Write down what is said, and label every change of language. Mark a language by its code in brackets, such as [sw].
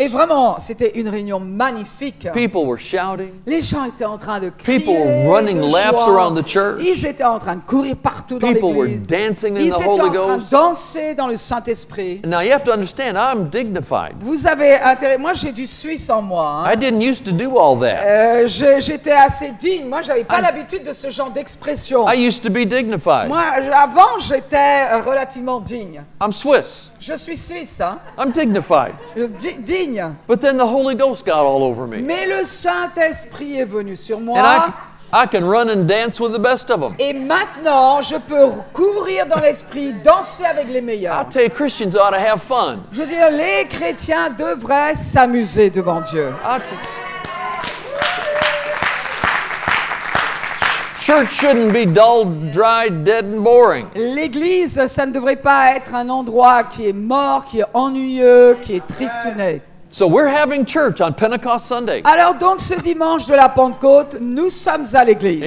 [fr] Et vraiment, c'était une réunion magnifique. [en] People were shouting. [fr] Les gens étaient en train de crier. [en] People were running [fr] de [en] laps [fr] joie. [en] Around the church. [fr] Ils étaient en train de courir partout [en] people [fr] dans l'église. [en] Were dancing [fr] ils [en] in the Holy Ghost. [fr] Ils étaient en train de danser dans le Saint-Esprit. [en] Now you have to understand, I'm dignified. [fr] Vous avez intérêt. Moi, j'ai du Suisse en moi. Hein. [en] I didn't used to do all that. [fr] J'étais assez digne. Moi, j'avais pas l'habitude de ce genre d'expression. [en] I used to be dignified. [fr] Moi, avant, j'étais relativement digne. [en] I'm Swiss. [fr] Je suis Suisse, hein? [en] I'm dignified. [fr] Digne. [en] But then the Holy Ghost got all over me. [fr] Mais le Saint-Esprit est venu sur moi. [en] And I can run and dance with the best of them. [fr] Et maintenant, je peux courir dans l'esprit, danser avec les meilleurs. [en] I tell you, Christians ought to have fun. [fr] Je veux dire, les chrétiens devraient s'amuser devant Dieu. [en] Church shouldn't be dull, dry, dead and boring. [fr] L'église, ça ne devrait pas être un endroit qui est mort, qui est ennuyeux, qui est tristouné. [en] So we're having church on Pentecost Sunday. [fr] Alors donc ce dimanche de la Pentecôte, nous sommes à l'église.